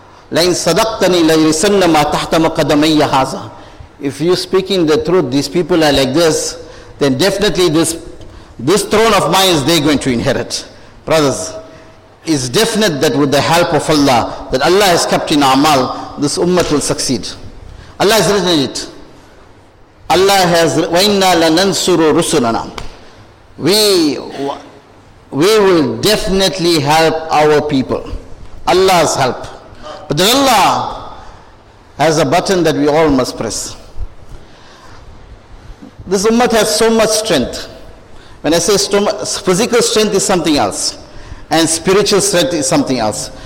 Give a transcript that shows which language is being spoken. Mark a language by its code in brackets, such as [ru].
[ar] لَيْنْ صَدَقْتَنِي لَيْرِسَنَّ مَا تَحْتَ مَقَدَمَيَّ هَذَا. [en] If you're speaking the truth, these people are like this, then definitely this throne of mine is they going to inherit. Brothers, it's definite that with the help of Allah, that Allah has kept in amal, this ummah will succeed. Allah has written it. Allah has [ar] وَإِنَّا لَنَنْصُرُ رُسُلَنَا. [en] We will definitely help our people. Allah's help. But then Allah has a button that we all must press. This ummah has so much strength. When I say physical strength is something else, and spiritual strength is something else.